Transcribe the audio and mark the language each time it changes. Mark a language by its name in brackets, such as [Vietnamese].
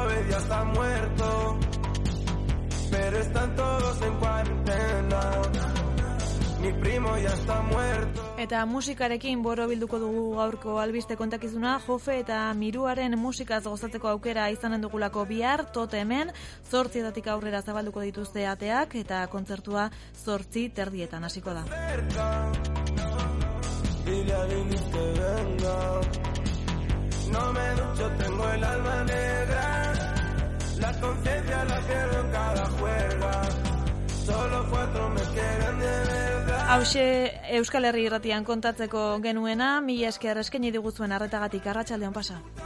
[Spanish] Ya está muerto, pero están todos en cuarentena. Mi primo ya está muerto. [Basque] Eta musikarekin borobilduko dugu gaurko albiste kontakizuna, Jofe eta Miruaren musikaz gozatzeko aukera izanen dugulako bihar, Totemen, 8:00 aurrera zabalduko dituzte ateak, eta kontzertua 8:30 hasiko da. [Spanish] Dile a Dini que venga. No me ducho, tengo el alma negra. La conciencia la quiero en cada juerga. Solo 4 me quieren de verdad. [Basque] Hauxe Euskal Herri Irratian kontatzeko genuena, mila esker eskaini diguzuen arretagatik, arratsaldean pasa.